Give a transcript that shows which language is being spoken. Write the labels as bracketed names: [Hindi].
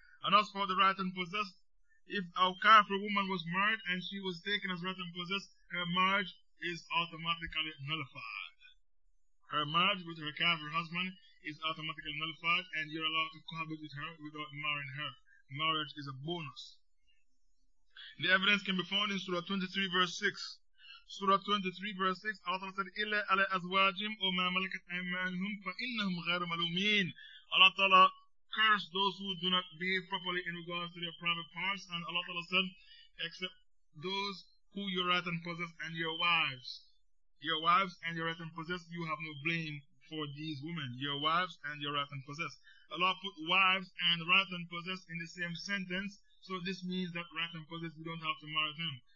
[English] And as for the right and possessed, if a kafir woman was married and she was taken as right and possessed, her marriage is automatically nullified. Her marriage with her kafir husband is automatically nullified, and you're allowed to cohabit with her without marrying her. Marriage is a bonus. The evidence can be found in Surah 23, verse 6. Surah 23, verse 6, Allah said, [Arabic] إِلَّا عَلَىٰ أَزْوَاجِمْ وَمَا مَلَكَتْ أَيْمَانُهُمْ فَإِنَّهُمْ غَيْرُ مَلُومِينَ. [English] Allah Ta'ala cursed those who do not behave properly in regards to their private parts, and Allah Ta'ala said, except those who you right and possess and your wives. Your wives and your right and possess, you have no blame for these women. Your wives and your right and possess. Allah put wives and right and possess in the same sentence, so this means that right and possess, you don't have to marry them.